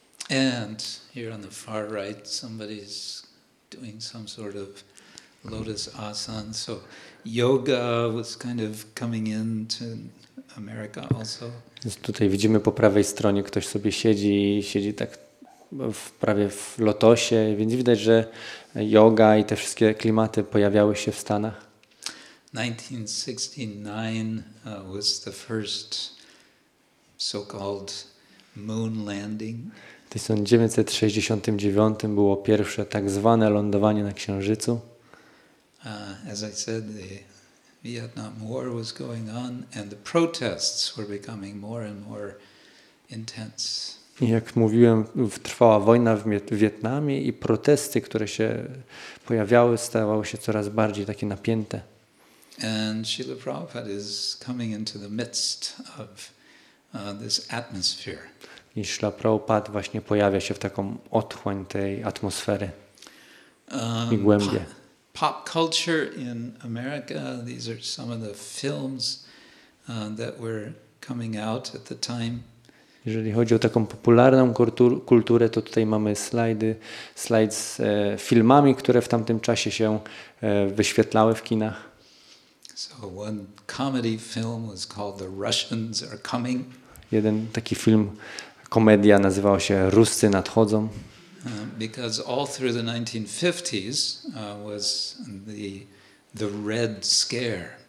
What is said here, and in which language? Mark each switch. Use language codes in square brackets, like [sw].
[en] And here on the far right somebody's doing some sort of lotus asan, so yoga was kind of coming into America also. [pl] Tutaj widzimy po prawej stronie, ktoś sobie siedzi tak prawie w lotosie, więc widać, że yoga i te wszystkie klimaty pojawiały się w Stanach. [en] 1969 was the first so-called moon landing. [pl] W 1969 było pierwsze tak zwane lądowanie na Księżycu. [en] As I said, the Vietnam War was going on and the protests were becoming more and more intense. [pl] Jak mówiłem, trwała wojna w Wietnamie i protesty, które się pojawiały, stawały się coraz bardziej takie napięte. [en] And Srila Prabhupada is coming into the midst of this atmosphere. [pl] I Srila Prabhupada właśnie pojawia się w taką otchłań tej atmosfery i głębie. [en] Pop culture in America, these are some of the films that were coming out at the time. [pl] Jeżeli chodzi o taką popularną kulturę, to tutaj mamy slajdy z filmami, które w tamtym czasie się wyświetlały w kinach. [en] So one comedy film was called The Russians Are Coming. [pl] Jeden taki film, komedia, nazywał się Ruscy Nadchodzą. [en] Because all through the 1950s was the Red Scare.